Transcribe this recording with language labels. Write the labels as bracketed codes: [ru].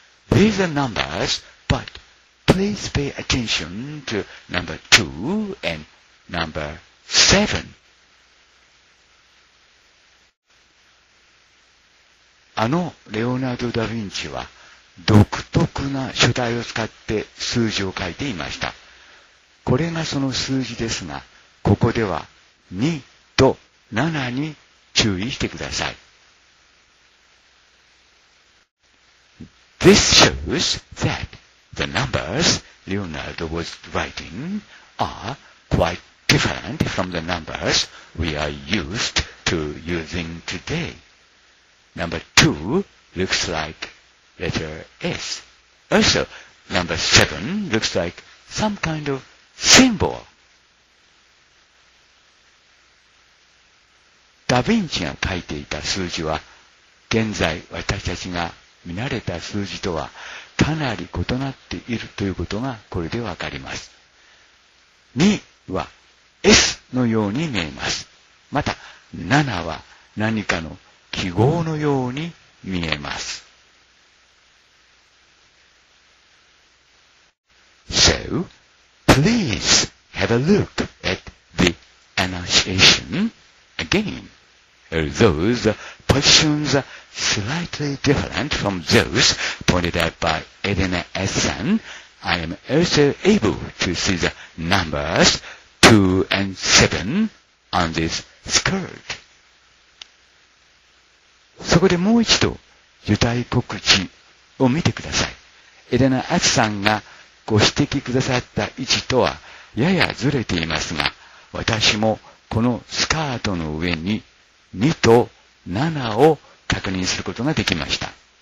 [en] These are numbers, but please pay attention to number 2 and number 7. [ja] あのレオナルド・ダ・ヴィンチは独特な書体を使って数字を書いていました。これがその数字ですが、ここでは2と7に注意してください。 [en] This shows that the numbers Leonardo was writing are quite different from the numbers we are used to using today. Number 2 looks like letter S. Also, number 7 looks like some kind of symbol. [ja] ダヴィンチが書いていた数字は、現在私たちが見慣れた数字とはかなり異なっているということがこれでわかります。 2は S のように見えます。また7は何かの記号のように見えます。 [en] So, please have a look at the Annunciation again. Those positions are slightly different from those pointed out by Edna Essen. I am also able to see the numbers 2 and 7 on this skirt. [ja] そこでもう一度、ユダイ告知を見てください。エレナ・アツさんがご指摘くださった位置とはややずれていますが、私もこのスカートの上に2と7を確認することができました。